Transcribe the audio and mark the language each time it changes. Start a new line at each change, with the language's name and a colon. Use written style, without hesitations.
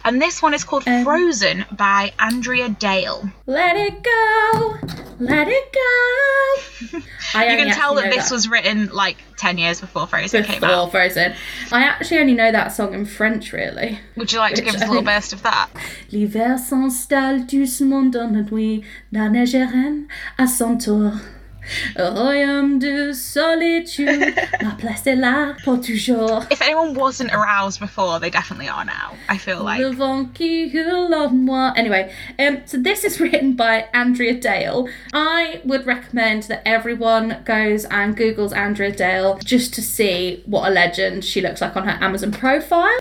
English: And this one is called Frozen by Andrea Dale. Let it go, let it go. You can tell that this was written like 10 years before Frozen came out. Before Frozen. I actually only know that song in French, really. Would you like to give us a little burst of that?
French: L'hiver s'installe doucement dans la nuit, la neige reine à son tour. Royaume de solitude, ma place est là pour toujours.
English: If anyone wasn't aroused before, they definitely are now, I feel like.
French: Le vent qui hurle en moi.
English: Anyway, so this is written by Andrea Dale. I would recommend that everyone goes and Googles Andrea Dale just to see what a legend she looks like on her Amazon profile.